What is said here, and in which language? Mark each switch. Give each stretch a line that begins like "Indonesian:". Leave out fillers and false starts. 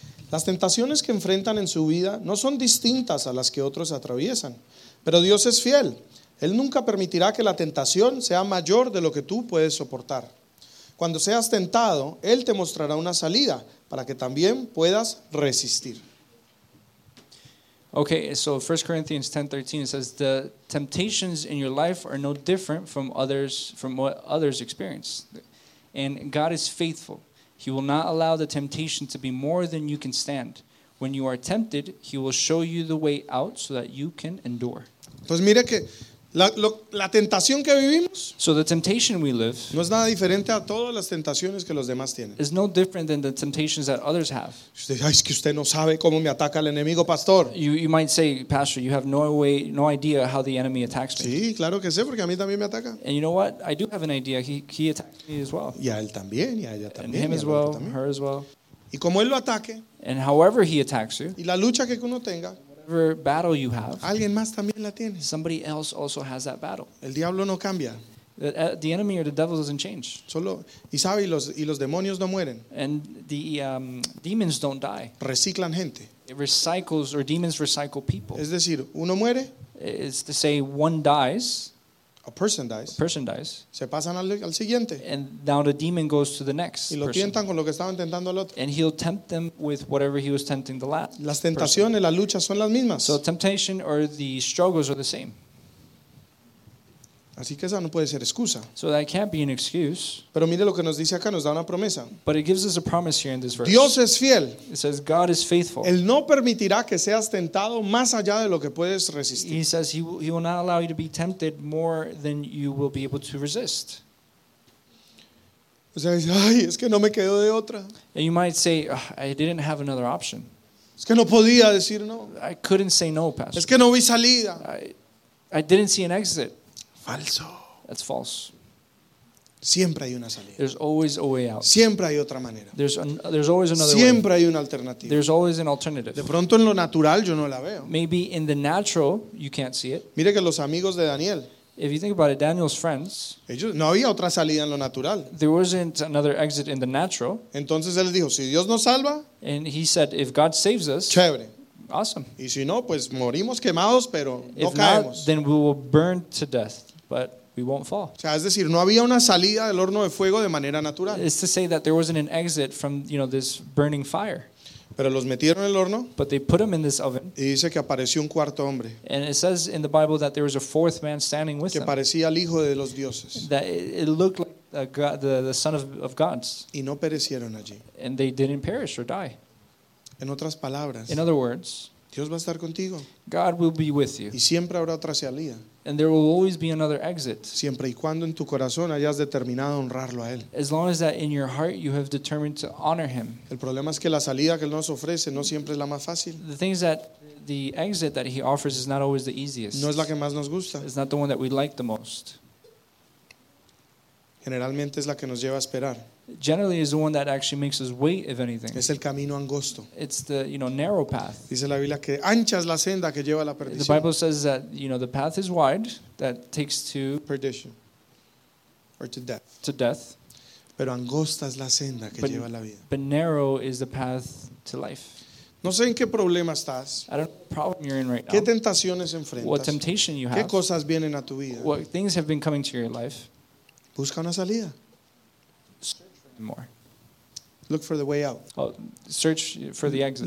Spanish: Las tentaciones que enfrentan en su vida no son distintas a las que otros atraviesan. Pero Dios es fiel. Él nunca permitirá que la tentación sea mayor de lo que tú puedes soportar. Cuando seas tentado, Él te mostrará una salida para que también puedas resistir.
English: Okay, so 1 Corinthians 10:13 says the temptations in your life are no different from others, from what others experience. And God is faithful. He will not allow the temptation to be more than you can stand. When you are tempted, he will show you the way out so that you can endure.
Spanish: Pues mire que la tentación que vivimos,
English: so the temptation we live,
Spanish: no es nada diferente a todas las tentaciones que los demás tienen.
English: Is no different than the temptations that others have.
Spanish: Usted, ay, es que usted no sabe cómo me ataca el enemigo, pastor.
English: You might say, pastor, you have no idea how the enemy attacks me.
Spanish: Sí, claro que sé, porque a mí también me ataca.
English: And you know what? I do have an idea. He attacks me as well.
Spanish: Y a él también, y a ella también.
English: And him as well, her as well.
Spanish: Y como él lo ataque,
English: and however he attacks you,
Spanish: y la lucha que uno tenga,
English: whatever battle you have,
Spanish: alguien más también la tiene.
English: Somebody else also has that battle.
Spanish: El diablo no cambia.
English: The enemy or the devil doesn't change.
Spanish: Solo, y sabe, y los demonios no mueren.
English: And the demons don't die.
Spanish: Reciclan gente.
English: It recycles, or demons recycle people.
Spanish: Es decir, uno muere.
English: It's to say one dies. A person dies.
Spanish: Se pasan al siguiente.
English: And now the demon goes to the next.
Spanish: Y lo tientan con lo que estaba intentando al otro.
English: And he'll tempt them with whatever he was tempting the last.
Spanish: Las tentaciones,
English: person.
Spanish: Las luchas son las mismas.
English: So temptation or the struggles are the same.
Spanish: Así que esa no puede ser excusa.
English: So that can't be an excuse.
Spanish: Pero mire lo que nos dice acá, nos da una promesa.
English: But it gives us a promise here in this verse.
Spanish: Dios es fiel.
English: It says God is faithful.
Spanish: Él no permitirá que seas tentado más allá de lo que puedes resistir.
English: He says he will not allow you to be tempted more than you will be able to resist.
Spanish: O sea, ay, es que no me quedo de otra.
English: And you might say, I didn't have another option.
Spanish: Es que no podía decir no.
English: I couldn't say no, pastor.
Spanish: Es que no vi salida.
English: I didn't see an exit.
Spanish: Falso.
English: That's false.
Spanish: Siempre hay una salida.
English: There's always a way out.
Spanish: Siempre hay otra manera.
English: There's always another
Spanish: Siempre
English: way.
Spanish: Hay una alternativa.
English: There's always an alternative.
Spanish: De pronto en lo natural yo no la veo.
English: Maybe in the natural you can't see it.
Spanish: Mire que los amigos de Daniel.
English: If you think about it, Daniel's friends.
Spanish: Ellos, no había otra salida en lo natural.
English: There wasn't another exit in the natural.
Spanish: Entonces él dijo, si Dios nos salva.
English: And he said, if God saves us.
Spanish: Chévere.
English: Awesome.
Spanish: Y si no, pues morimos quemados, pero
English: if
Spanish: no caemos.
English: Not, then we will burn to death. But we won't fall.
Spanish: O sea, es decir, no había una salida del horno de fuego de manera natural.
English: It's to say that there wasn't an exit from, you know, this burning fire.
Spanish: Pero los metieron en el horno.
English: But they put them in this oven.
Spanish: Y dice que apareció un cuarto hombre.
English: And it says in the Bible that there was a fourth man standing with
Spanish: que
English: them.
Spanish: Que parecía el hijo de los dioses.
English: That it looked like the son of gods.
Spanish: Y no perecieron allí.
English: And they didn't perish or die.
Spanish: En otras palabras.
English: In other words.
Spanish: Dios va a estar contigo.
English: God will be with you.
Spanish: Y siempre habrá otra salida.
English: And there will always be another exit.
Spanish: Siempre y cuando en tu corazón hayas determinado honrarlo a él.
English: As long as that in your heart you have determined to honor him.
Spanish: El problema es que la salida que él nos ofrece no siempre es la más fácil.
English: The thing is that the exit that he offers is not always the easiest.
Spanish: No es la que más nos gusta.
English: It's not the one that we like the most.
Spanish: Generalmente es la que nos lleva a esperar.
English: Generally is the one that actually makes us wait, if anything.
Spanish: Es el camino angosto.
English: It's the, you know, narrow path.
Spanish: Dice la Biblia que ancha es la senda que lleva a la perdición.
English: The Bible says that, you know, the path is wide that takes to perdition or to death. To death.
Spanish: Pero angosta es la senda que lleva a la vida.
English: But narrow is the path to life.
Spanish: No sé en qué problema estás.
English: I don't know what problem you're in right now.
Spanish: ¿Qué tentaciones enfrentas?
English: What temptation you have?
Spanish: ¿Qué cosas vienen a tu vida?
English: What things have been coming to your life?
Spanish: Busca una salida.
English: More. Look for the way out. Well, search for the exit.